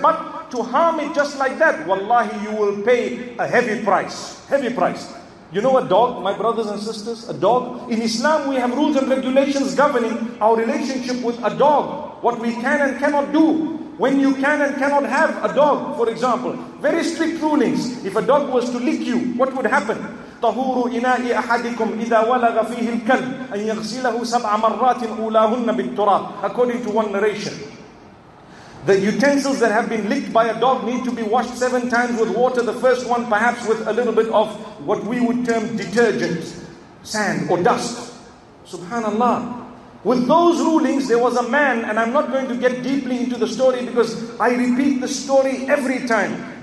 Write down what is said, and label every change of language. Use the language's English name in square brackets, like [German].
[English] But to harm it just like that, wallahi, you will pay a heavy price. Heavy price. You know a dog, my brothers and sisters, a dog? In Islam, we have rules and regulations governing our relationship with a dog. What we can and cannot do. When you can and cannot have a dog, for example, very strict rulings. If a dog was to lick you, what would happen? [Arabic] طهور إناء أحدكم إذا ولغ فيه الكلب أن يغسله سبع مرات أولاهن بالتراب. [English] According to one narration, the utensils that have been licked by a dog need to be washed 7 times with water. The first one, perhaps with a little bit of what we would term detergent, sand or dust. Subhanallah. With those rulings, there was a man, and I'm not going to get deeply into the story because I repeat the story every time.